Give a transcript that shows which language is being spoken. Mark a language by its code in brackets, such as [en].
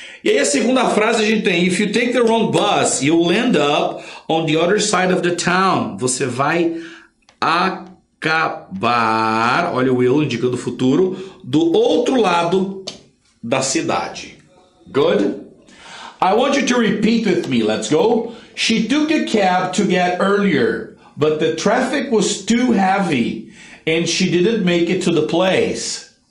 [pt] E aí a segunda frase a gente tem, [en] if you take the wrong bus, you'll end up on the other side of the town. [pt] Você vai acabar, olha o Will indicando o futuro, do outro lado da cidade. [en] Good? I want you to repeat with me, let's go. She took a cab to get earlier, but the traffic was too heavy and she didn't make it to the place.